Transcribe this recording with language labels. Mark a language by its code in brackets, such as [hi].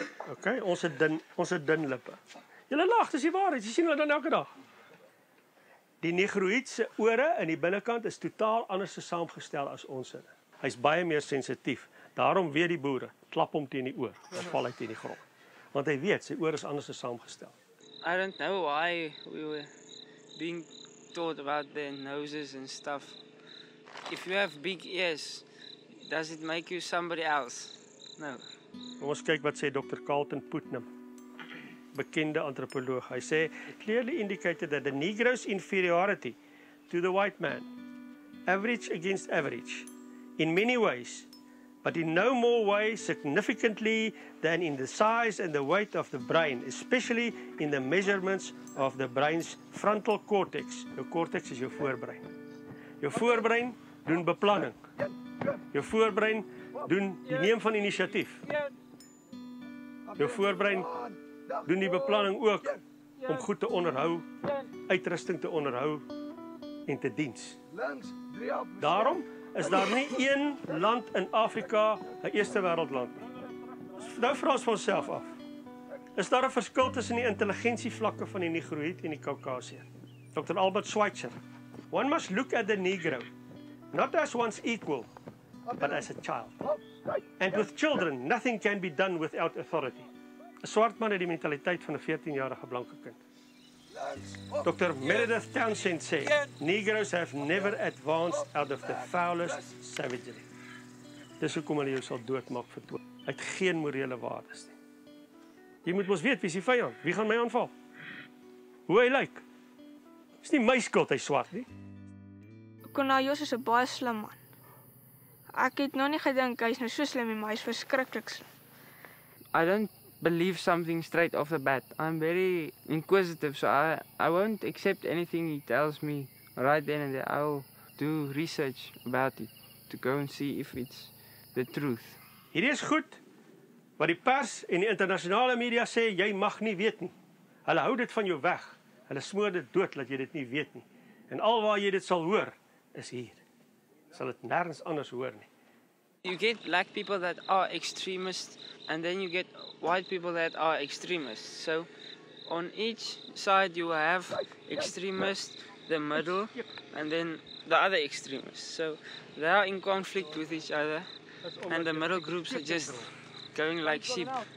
[af] Ok, ons het dun lippe. Julle lag, dis die waarheid, jy sien hulle dan elke dag. Die negroïdse ore in die binnenkant is totaal anders saamgestel as ons. Hy is baie meer sensitief, daarom weet die boere, klap om teen die oor, dan val hy teen die grond. Want hy weet, sy oor is anders saamgestel. [en] I don't know why we were being taught about their noses and stuff. If you have big ears, does it make you somebody else? No. [af] Ons kyk wat sê Dr. Carlton Putnam, bekende antropoloog. Hy sê, [en] clearly indicated that the Negro's inferiority to the white man, average against average, in many ways, but in no more way significantly than in the size and the weight of the brain, especially in the measurements of the brain's frontal cortex. [af] Jou cortex is jou voorbrein. Jou voorbrein doen beplanning. Jou voorbrein doen die neem van initiatief. Jou voorbrein doen die beplanning ook om goed te onderhou, uitrusting te onderhou en te diens. Daarom is daar nie een land in Afrika, 'n eerste wêreldland nie. Nou vra ons van onsself af. Is daar 'n verskil tussen die intelligensievlakke van die Negroïd en die Kaukasier? Dr. Albert Schweitzer. [en] One must look at the Negro, not as one's equal, but as a child. And with children, nothing can be done without authority. [af] 'N swart man het die mentaliteit van 'n 14-jarige blanke kind. Dr. [en] Meredith Townsend sê, Negroes have never advanced out of the foulest savagery. [af] Dis hoekom hulle jou sal doodmaak vir toe. Uit geen morele waardes nie. Jy moet ons weet, wie is die vyand? Wie gaan my aanval? Hoe hy lyk? Is nie my skuld, hy swart nie. Konajos is 'n baie slim man. Ek het nog nie gedink hy is nou so slim nie, maar hy is verskriklik. [en] I don't believe something straight off the bat. I'm very inquisitive, so I won't accept anything he tells me right then and there. I'll do research about it to go and see if it's the truth. [af] Hierdie is goed, wat die pers en die internationale media sê, jy mag nie weet nie. Hulle hou dit van jou weg. Hulle smoor dit dood dat jy dit nie weet nie. En al waar jy dit sal hoor, is hier. Sal het nergens anders hoor nie. [en] You get black people that are extremists, and then you get white people that are extremists. So, on each side you have extremists, the middle, and then the other extremists. So, they are in conflict with each other, and the middle groups are just going like sheep.